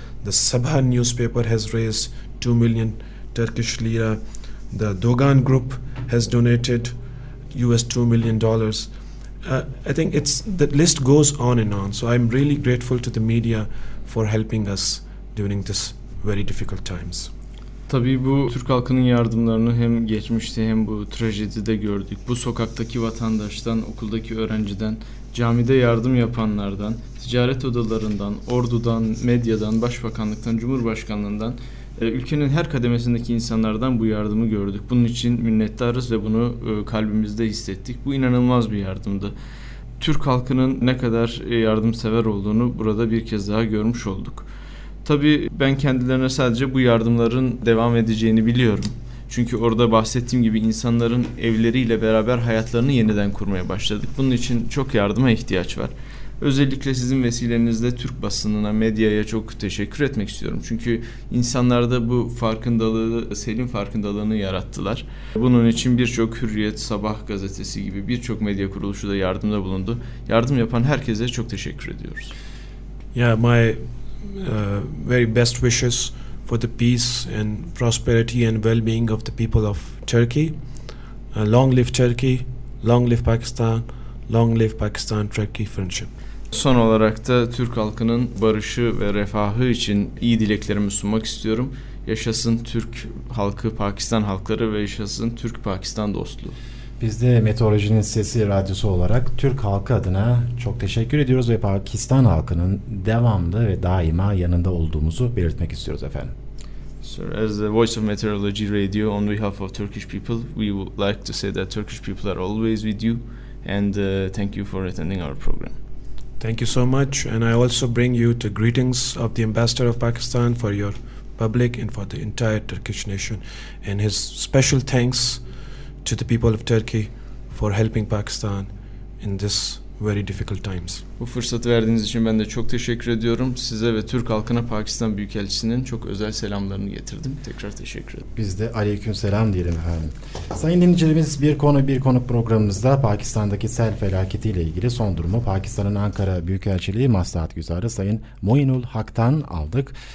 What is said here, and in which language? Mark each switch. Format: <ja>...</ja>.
<en>The Sabha newspaper has raised 2 million Turkish lira. The Dogan group has donated US $2 million. I think it's the list goes on and on. So I'm really grateful to the media for helping us during this very difficult times.</en> <tr>Tabii bu Türk halkının yardımlarını hem geçmişte hem bu trajedide gördük. Bu sokaktaki vatandaştan, okuldaki öğrenciden, camide yardım yapanlardan, ticaret odalarından, ordudan, medyadan, başbakanlıktan, cumhurbaşkanlığından, ülkenin her kademesindeki insanlardan bu yardımı gördük. Bunun için minnettarız ve bunu kalbimizde hissettik. Bu inanılmaz bir yardımdı. Türk halkının ne kadar yardımsever olduğunu burada bir kez daha görmüş olduk. Tabii ben kendilerine sadece bu yardımların devam edeceğini biliyorum. Çünkü orada bahsettiğim gibi insanların evleriyle beraber hayatlarını yeniden kurmaya başladık. Bunun için çok yardıma ihtiyaç var. Özellikle sizin vesilenizle Türk basınına, medyaya çok teşekkür etmek istiyorum. Çünkü insanlarda bu farkındalığı, selim farkındalığını yarattılar. Bunun için birçok Hürriyet, Sabah gazetesi gibi birçok medya kuruluşu da yardımda bulundu. Yardım yapan herkese çok teşekkür ediyoruz.</tr> <en>Yeah, my very best wishes for the peace and prosperity and well-being of the people of Turkey. Long live Turkey, long live Pakistan. Long live Pakistan-Turkey friendship.</en> <tr>Son olarak da Türk halkının barışı ve refahı için iyi dileklerimi sunmak istiyorum. Yaşasın Türk halkı, Pakistan halkları ve yaşasın Türk-Pakistan dostluğu. Biz de Meteorolojinin Sesi Radyosu olarak Türk halkı adına çok teşekkür ediyoruz ve Pakistan halkının devamlı ve daima yanında olduğumuzu belirtmek istiyoruz efendim.</tr> <en>Sir, as the voice of Meteorology Radio on behalf of Turkish people, we would like to say that Turkish people are always with you. And thank you for attending our program. Thank you so much. And I also bring you the greetings of the Ambassador of Pakistan for your public and for the entire Turkish nation. And his special thanks to the people of Turkey for helping Pakistan in this very difficult times.</en> <tr>Bu fırsatı verdiğiniz için ben de çok teşekkür ediyorum. Size ve Türk halkına Pakistan Büyükelçisi'nin çok özel selamlarını getirdim. Tekrar teşekkür ederim. Biz de aleyküm selam diyelim efendim. Sayın dinleyicilerimiz, Bir Konu Bir Konuk programımızda Pakistan'daki sel felaketiyle ilgili son durumu Pakistan'ın Ankara Büyükelçiliği Maslahat Güzarı Sayın Muinul Hak'tan aldık.</tr>